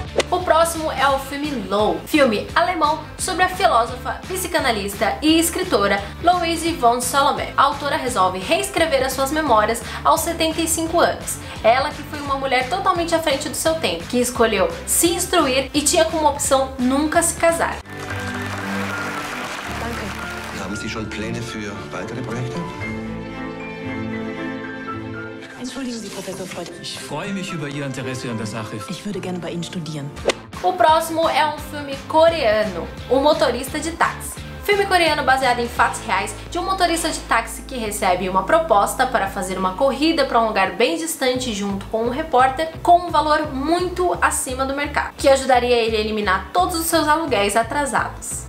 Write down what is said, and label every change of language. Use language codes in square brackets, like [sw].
[pt] O próximo é o filme Low, filme alemão sobre a filósofa, psicanalista e escritora Louise von Salomé. A autora resolve reescrever as suas memórias aos 75 anos. Ela que foi uma mulher totalmente à frente do seu tempo, que escolheu se instruir e tinha como opção nunca se casar. [de] Haben Sie schon Pläne für weitere Projekte? Entschuldigen Sie, Professor Freud. Ich freue mich über Ihr Interesse an der Sache. Ich würde gerne bei Ihnen studieren. [pt] O próximo é um filme coreano, O Motorista de Táxi. Filme coreano baseado em fatos reais de um motorista de táxi que recebe uma proposta para fazer uma corrida para um lugar bem distante junto com um repórter com um valor muito acima do mercado, que ajudaria ele a eliminar todos os seus aluguéis atrasados.